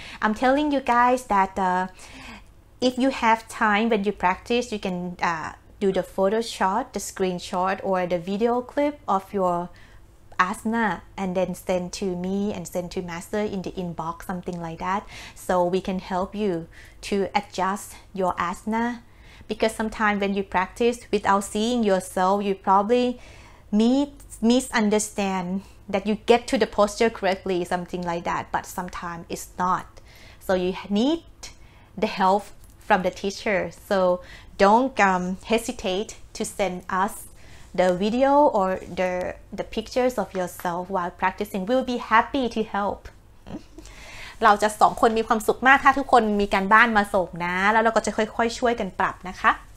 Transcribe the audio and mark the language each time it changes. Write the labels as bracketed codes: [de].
[en] I'm telling you guys that if you have time when you practice you can do the photoshot the screenshot or the video clip of your asana and then send to me and send to master in the inbox something like that so we can help youTo adjust your asana, because sometimes when you practice without seeing yourself, you probably misunderstand that you get to the posture correctly, something like that. But sometimes it's not, so you need the help from the teacher. So don't hesitate to send us the video or the pictures of yourself while practicing. We'll be happy to help. [th] เราจะสองคนมีความสุขมากถ้าทุกคนมีการบ้านมาส่งนะแล้วเราก็จะค่อยๆช่วยกันปรับนะคะ